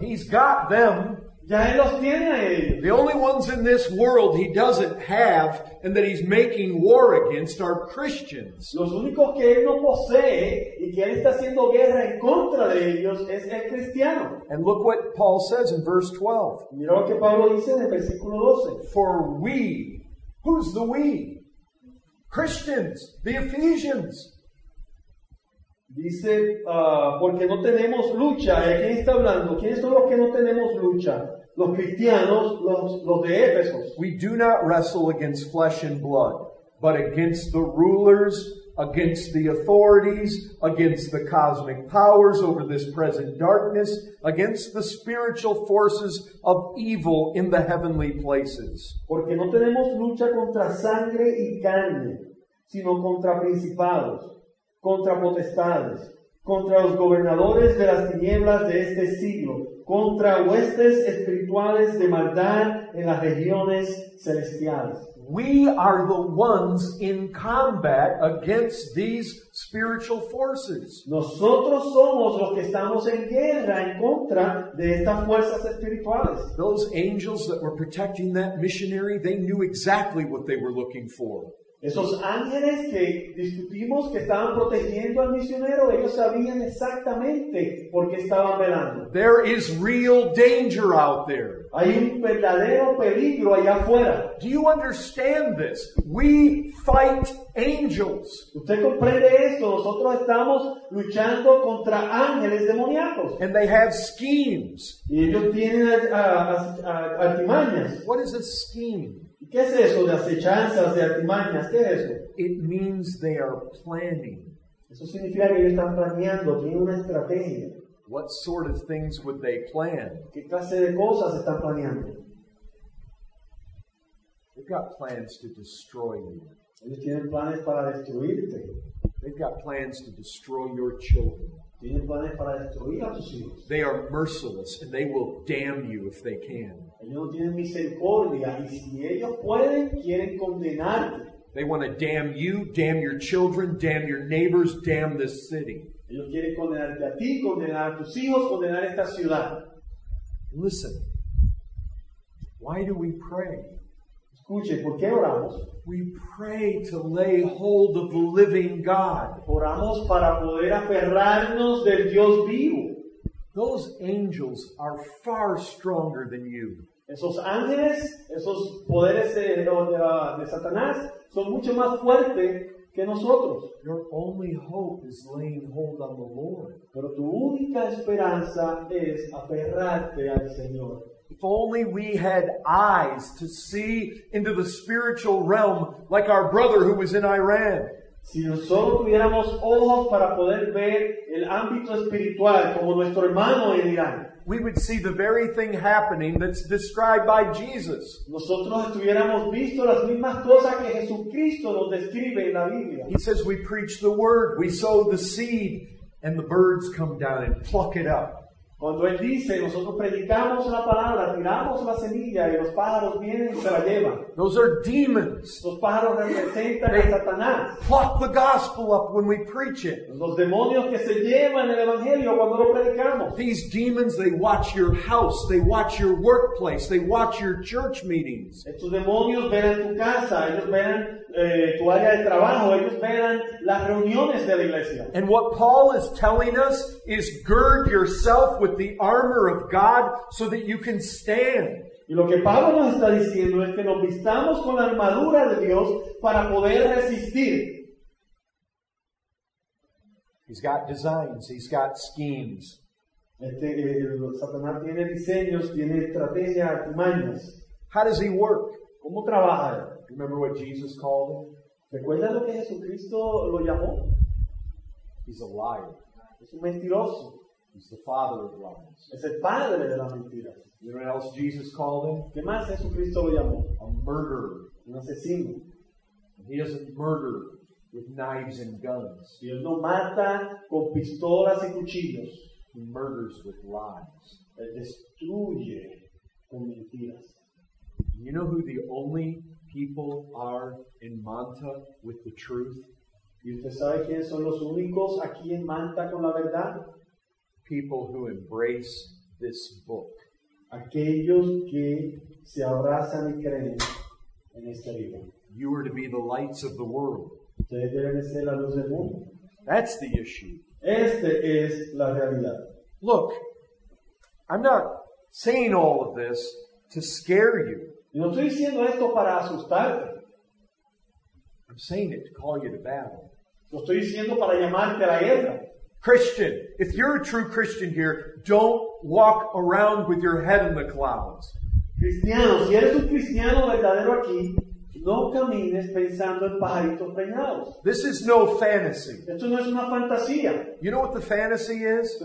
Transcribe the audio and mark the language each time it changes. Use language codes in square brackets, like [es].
[en] He's got them. [es] Ya él los tiene a ellos. [en] The only ones in this world he doesn't have and that he's making war against are Christians. [es] Los únicos que él no posee y que él está haciendo guerra en contra de ellos es el cristiano. [en] And look what Paul says in verse 12. [es] Mira lo que Pablo dice en el versículo 12. [en] For we, who's the we? Christians, the Ephesians. [es] Dice, porque no tenemos lucha. ¿De quién está hablando? ¿Quiénes son los que no tenemos lucha? Los cristianos, los de Éfeso. [en] We do not wrestle against flesh and blood, but against the rulers, against the authorities, against the cosmic powers over this present darkness, against the spiritual forces of evil in the heavenly places. [es] Porque no tenemos lucha contra sangre y carne, sino contra principados, contra potestades, contra los gobernadores de las tinieblas de este siglo, contra huestes espirituales de maldad en las regiones celestiales. [en] We are the ones in combat against these spiritual forces. [es] Nosotros somos los que estamos en guerra en contra de estas fuerzas espirituales. [en] Those angels that were protecting that missionary, they knew exactly what they were looking for. [es] Esos ángeles que discutimos que estaban protegiendo al misionero, ellos sabían exactamente por qué estaban velando. [en] There is real danger out there. [es] Hay un verdadero peligro allá afuera. [en] Do you understand this? We fight angels. [es] ¿Usted comprende esto? Nosotros estamos luchando contra ángeles demoníacos. [en] And they have schemes. [es] Y ellos tienen artimañas. [en] What is a scheme? [es] ¿Qué es eso de acechanzas, de artimañas? ¿Qué es eso? [en] It means they are planning. [es] Eso significa que ellos están planeando, tienen una estrategia. [en] What sort of things would they plan? [es] ¿Qué clase de cosas están planeando? [en] They've got plans to destroy you. [es] Ellos tienen planes para destruirte. [en] They've got plans to destroy your children. [es] Tienen planes para destruir a tus hijos. [en] They are merciless and they will damn you if they can. [es] Ellos no tienen misericordia y si ellos pueden, quieren condenarte. [en] They want to damn you, damn your children, damn your neighbors, damn this city. [es] Ellos quieren condenarte a ti, condenar a tus hijos, condenar esta ciudad. [en] Listen. Why do we pray? [es] Escuche, ¿por qué oramos? [en] We pray to lay hold of the living God. [es] Oramos para poder aferrarnos del Dios vivo. [en] Those angels are far stronger than you. [es] Esos ángeles, esos poderes de Satanás, son mucho más fuertes que nosotros. [en] Your only hope is laying hold on the Lord. [es] Pero tu única esperanza es aferrarte al Señor. [en] If only we had eyes to see into the spiritual realm like our brother who was in Iran. [es] Si nosotros tuviéramos ojos para poder ver el ámbito espiritual como nuestro hermano en Irán, [en] we would see the very thing happening that's described by Jesus. [es] Nosotros estuviéramos visto las mismas cosas que Jesucristo nos describe en la Biblia. [en] He says we preach the word, we sow the seed, and the birds come down and pluck it up. [es] Cuando Él dice, nosotros predicamos la palabra, tiramos la semilla y los pájaros vienen y se la llevan. [en] Those are demons. [es] Los pájaros representan a Satanás. [en] Pluck the gospel up when we preach it. [es] Los demonios que se llevan el evangelio cuando lo predicamos. [en] These demons, they watch your house, they watch your workplace, they watch your church meetings. [es] Estos demonios velan tu casa, ellos velan tu área de trabajo, ellos velan las reuniones de la iglesia. [en] And what Paul is telling us is gird yourself with the armor of God so that you can stand. [es] Y lo que Pablo nos está diciendo es que nos vistamos con la armadura de Dios para poder resistir. [en] He's got designs, he's got schemes. [es] Satanás tiene diseños, tiene estrategias, artimañas. [en] How does he work? [es] ¿Cómo trabaja? [en] Remember what Jesus called him? [es] ¿Recuerda lo que Jesucristo lo llamó? [en] He's a liar. [es] Es un mentiroso. [en] He's the father of lies. [es] Es el padre de las mentiras. [en] You know what else Jesus called him? [es] ¿Qué más Jesucristo lo llamó? [en] A murderer. [es] Un asesino. [en] And he doesn't murder with knives and guns. [es] Y él no mata con pistolas y cuchillos. [en] He murders with lies. [es] Él destruye con mentiras. [en] You know who the only people are in Manta with the truth? [es] ¿Y usted sabe quiénes son los únicos aquí en Manta con la verdad? [en] People who embrace this book. [es] Aquellos que se abrazan y creen en este libro. [en] You are to be the lights of the world. [es] Ustedes deben ser la luz del mundo. [en] That's the issue. [es] Este es la realidad. [en] Look, I'm not saying all of this to scare you. [es] Yo no estoy diciendo esto para asustarte. [en] I'm saying it to call you to battle. [es] Lo estoy diciendo para llamarte a la guerra. [en] Christian, if you're a true Christian here, don't walk around with your head in the clouds. [es] Cristiano, si eres un cristiano verdadero aquí, No camines pensando en pajaritos preñados. [en] This is no fantasy. [es] Esto no es una fantasía. [en] You know what the fantasy is?